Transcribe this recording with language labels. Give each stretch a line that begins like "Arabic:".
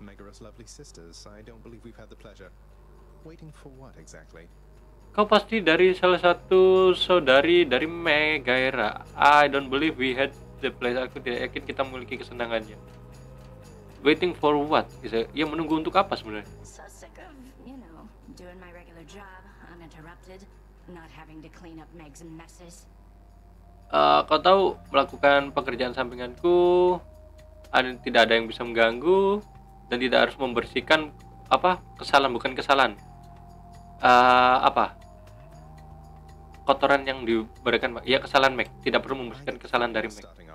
English: Megara's lovely sisters. I don't believe we've had the pleasure. Waiting for what exactly?
Indonesian: Kau pasti dari salah satu saudari dari Megara.
English: I don't believe we had the pleasure.
Indonesian: Aku tidak yakin kita memiliki kesenangannya.
English: Waiting for what?
Indonesian: Ya, menunggu untuk apa sebenarnya?
English: So sick of, you know, doing my regular job, uninterrupted, not having to clean up Meg's messes.
Indonesian: Kau tahu, melakukan pekerjaan sampinganku tidak ada yang bisa mengganggu dan tidak harus membersihkan apa kesalahan, bukan kesalahan apa kotoran yang diberikan, ya kesalahan Meg, tidak perlu membersihkan kesalahan dari Meg.